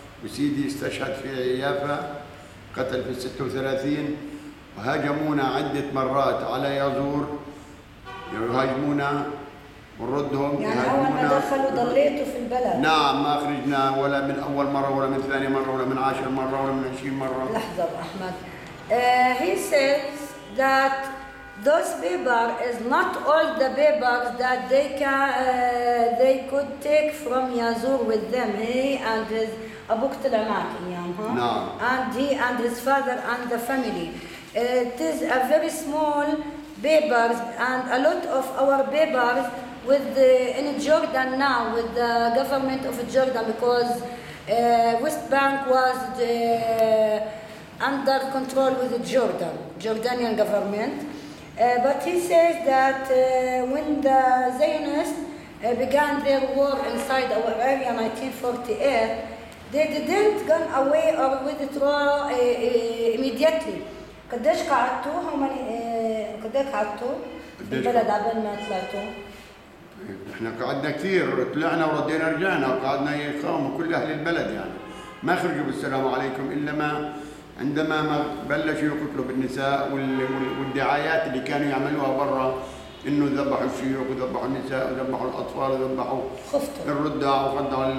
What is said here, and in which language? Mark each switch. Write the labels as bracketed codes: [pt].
[ar] وسيدي استشهد في يافا، قتل في 36، وهاجمونا عدة مرات على يزور، يهاجمونا ونردهم. يعني أول ما دخلوا ضليتوا في البلد؟ نعم، ما خرجنا ولا من أول مرة ولا من ثاني مرة ولا من 10 مرة ولا من 20 مرة. لحظة أحمد، [en] he says that those papers is not all the papers that they can they could take from Yazur with them. He and his Abu Talamak, and he and his father and the family. It is a very small papers, and a lot of our papers with the, in Jordan now with the government of Jordan, because West Bank was the, under control with the Jordanian government. But he says that when the Zionists began their war inside our area in 1948, they didn't go away or withdraw immediately. [ar] قديش قعدتوا؟ [en] How many [ar] قديش قعدتوا في البلد قبل ما طلعتوا؟ احنا قعدنا كثير، طلعنا وردينا رجعنا، وقعدنا يقاوم كل اهل البلد يعني. ما خرجوا بالسلام عليكم الا ما عندما ما بلشوا يقتلوا بالنساء، والدعايات اللي كانوا يعملوها برا انه ذبحوا الشيوخ وذبحوا النساء وذبحوا الاطفال وذبحوا الردع وخدعوا.